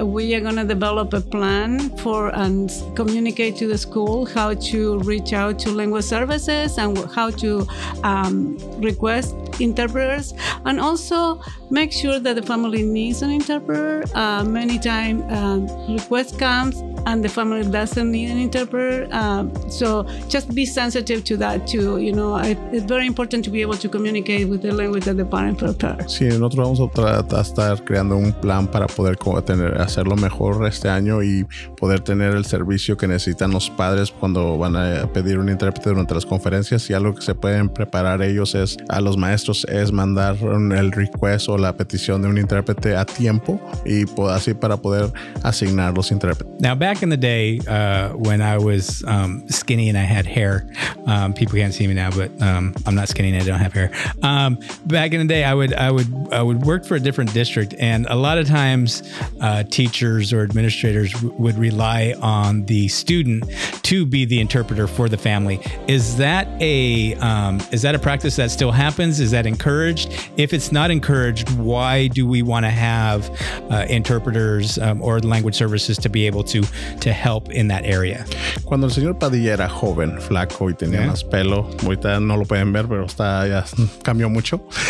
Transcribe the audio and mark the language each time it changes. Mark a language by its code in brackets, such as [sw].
[en] We are going to develop a plan for and communicate to the school how to reach out to language services and how to request interpreters, and also make sure that the family needs an interpreter. Many times request comes and the family doesn't need an interpreter. So just be sensitive to that too. You know, it's very important to be able to communicate with the language that the parent prefers. [es] Sí, nosotros vamos a tratar de estar creando un plan para poder hacerlo mejor este año y poder tener el servicio que necesitan los padres cuando van a pedir un intérprete durante las conferencias. Y algo que se pueden preparar ellos es a los maestros es mandar el request o la petición de un intérprete a tiempo y así para poder asignar los intérpretes. [en] Now back in the day when I was skinny and I had hair, people can't see me now, but I'm not skinny and I don't have hair. Back in the day I would work for a different district, and a lot of times teachers or administrators would rely on the student to be the interpreter for the family. Is that a practice that still happens? Is that encouraged? If it's not encouraged, why do we want to have interpreters or language services to be able to help in that area? [es] Cuando el señor Padilla era joven, flaco y tenía más pelo, ahorita no lo pueden ver, pero está ya cambió mucho.